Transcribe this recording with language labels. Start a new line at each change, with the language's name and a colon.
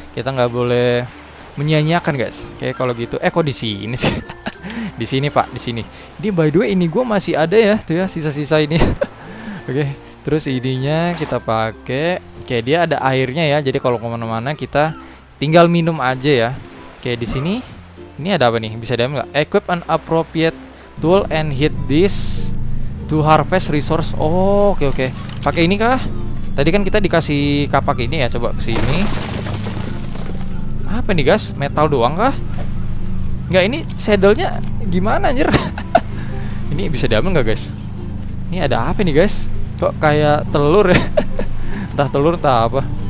Indonesian: Kita nggak boleh menyia-nyiakan guys. Oke, kalau gitu. Eh kok di sini sih? Di sini pak, di sini. Ini
English: by the way,
Indonesian: ini gue masih ada ya. Tuh ya, sisa-sisa ini. Oke. Terus ininya kita pakai. Oke, dia ada airnya ya. Jadi kalau kemana-mana kita tinggal minum aja ya. Oke, di sini ini ada apa nih? Bisa diam nggak?
English: Equip an appropriate tool and hit this to harvest resource.
Indonesian: Oh, oke oke. Pakai ini kah? Tadi kan kita dikasih kapak ini ya. Coba ke sini. Apa nih, guys? Metal doang kah? Nggak, ini saddle-nya gimana anjir? Ini bisa diam nggak, guys? Ini ada apa nih, guys? Kok kayak telur ya? Entah telur entah apa.